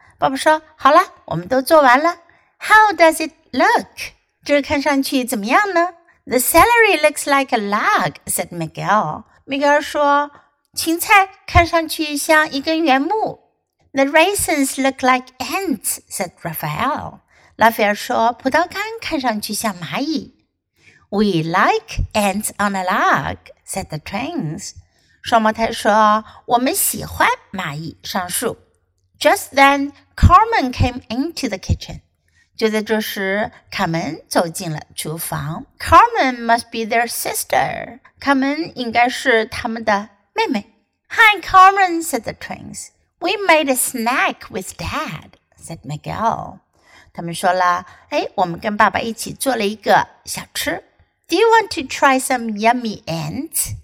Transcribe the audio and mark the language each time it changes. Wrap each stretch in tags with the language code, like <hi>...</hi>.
<zh>爸爸说好了我们都做完了。</zh> <en>How does it look?</en> <zh>这看上去怎么样呢</zh> <en>The celery looks like a log, said Miguel.</en> <zh>Miguel 说芹菜看上去像一根圆木。</zh> <en>The raisins look like ants, said Raphael.</en> <zh>拉斐尔说葡萄干看上去像蚂蚁。</zh> <en>We like ants on a log, said the twins.</en> <zh>双胞胎说我们喜欢蚂蚁上树。</zh> <en>Just then, Carmen came into the kitchen.</en> <zh>就在这时卡门走进了厨房。</zh> <en>Carmen must be their sister.</en> <zh>卡门应该是他们的妹妹。</zh> <en>Hi, Carmen, said the twins. We made a snack with Dad, said Miguel.</en> <zh>他们说了哎，我们跟爸爸一起做了一个小吃。</zh> <en>Do you want to try some yummy ants?</en>